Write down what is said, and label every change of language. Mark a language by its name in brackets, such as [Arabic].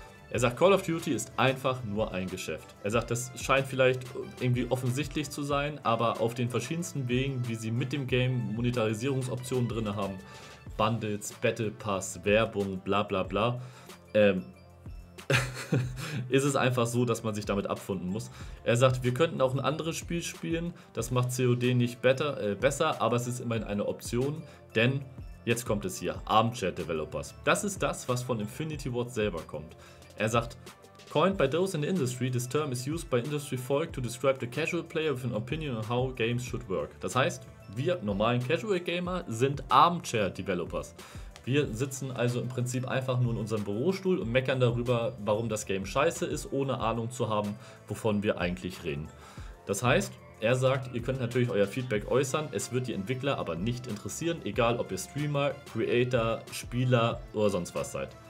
[German] Er sagt, Call of Duty ist einfach nur ein Geschäft. Er sagt, das scheint vielleicht irgendwie offensichtlich zu sein, aber auf den verschiedensten Wegen, wie sie mit dem Game Monetarisierungsoptionen drin haben, Bundles, Battle Pass, Werbung, bla bla bla, ist es einfach so, dass man sich damit abfinden muss. Er sagt, wir könnten auch ein anderes Spiel spielen, das macht COD nicht besser, aber es ist immerhin eine Option, denn jetzt kommt es hier, Armchair Developers. Das ist das, was von Infinity Ward selber kommt. Er sagt, [English] coined by those in the industry, this term is used by industry folk to describe the casual player with an opinion on how games should work. [German] Das heißt, wir normalen Casual Gamer sind Armchair Developers. Wir sitzen also im Prinzip einfach nur in unserem Bürostuhl und meckern darüber, warum das Game scheiße ist, ohne Ahnung zu haben, wovon wir eigentlich reden. Das heißt, er sagt, ihr könnt natürlich euer Feedback äußern, es wird die Entwickler aber nicht interessieren, egal ob ihr Streamer, Creator, Spieler oder sonst was seid.